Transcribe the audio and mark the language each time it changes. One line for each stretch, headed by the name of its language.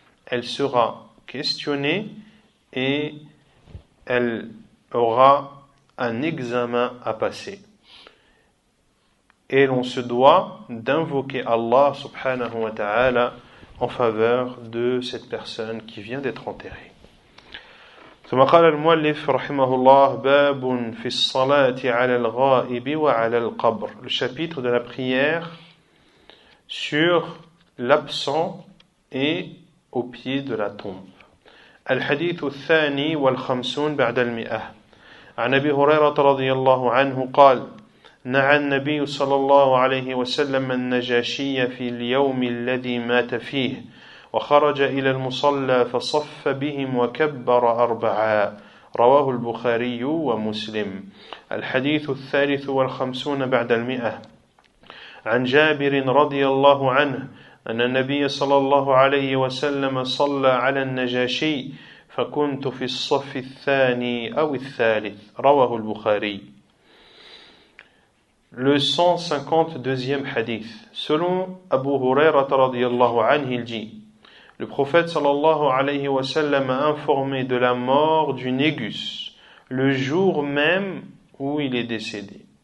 French: Elle sera questionnée et elle aura un examen à passer. Et l'on se doit d'invoquer Allah subhanahu wa ta'ala en faveur de cette personne qui vient d'être enterrée.
Arabic: ثم قال المؤلف رحمه الله باب في الصلاة على الغائب وعلى القبر.
French: Le chapitre de la prière sur l'absent et au pied de la tombe.
Arabic: الحديث الثاني والخمسون بعد المئة. عن أبي هريرة رضي الله عنه قال نعى النبي صلى الله عليه وسلم النجاشي في اليوم الذي مات فيه وخرج إلى المصلى فصف بهم وكبر أربعا رواه البخاري ومسلم. الحديث الثالث والخمسون بعد المئة. عن جابر رضي الله عنه أن النبي صلى الله عليه وسلم صلى على النجاشي فكنت في الصف الثاني أو الثالث رواه البخاري.
French: Le 152e حديث. Selon أبو هريرة
Arabic: رضي الله عنه
French: dit, le prophète sallallahu alayhi wa sallam a informé de la mort du négus le jour même où il est décédé.